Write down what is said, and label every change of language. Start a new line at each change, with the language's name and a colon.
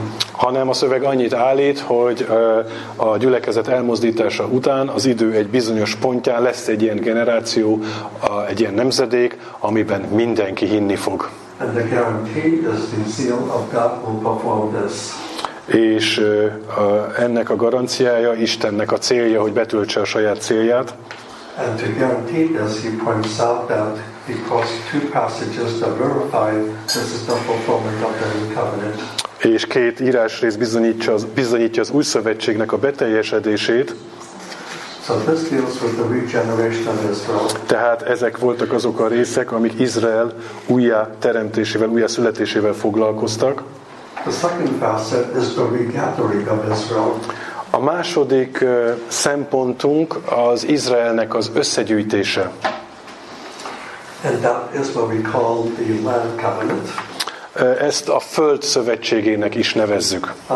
Hungarian: Hanem a szöveg annyit állít, hogy a gyülekezet elmozdítása után az idő egy bizonyos pontján lesz egy ilyen generáció, egy ilyen nemzedék, amiben mindenki hinni fog.
English: And the guarantee is the seal of God will perform this.
Hungarian: És ennek a garanciája Istennek a célja, hogy betöltse a saját célját.
English: And to guarantee this, he points out that because 2 passages that verify this is the fulfillment of the new covenant.
Hungarian: És két írásrész bizonyítja az új szövetségnek a beteljesedését.
English: So this deals with the regeneration of Israel.
Hungarian: Tehát ezek voltak azok a részek, amik Izrael újjáteremtésével, újjászületésével foglalkoztak.
English: The second facet is the regathering of Israel.
Hungarian: A második szempontunk az Izraelnek az összegyűjtése.
English: And that is what we call the land covenant.
Hungarian: Ezt a Föld szövetségének is nevezzük.